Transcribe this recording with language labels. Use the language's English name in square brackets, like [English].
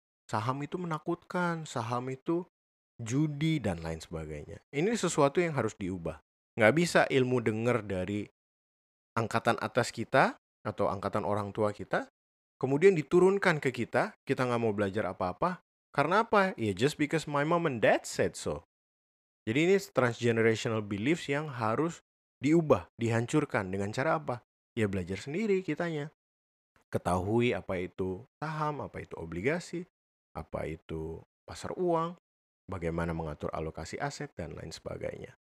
[Indonesian] Saham itu menakutkan, saham itu judi, dan lain sebagainya. Ini sesuatu yang harus diubah. Nggak bisa ilmu dengar dari angkatan atas kita, atau angkatan orang tua kita, kemudian diturunkan ke kita, kita nggak mau belajar apa-apa. Karena apa? [English] Ya, just because my mom and dad said so. [Indonesian] Jadi ini transgenerational beliefs yang harus diubah, dihancurkan. Dengan cara apa? Ya, belajar sendiri kitanya. Ketahui apa itu saham, apa itu obligasi, apa itu pasar uang, bagaimana mengatur alokasi aset, dan lain sebagainya.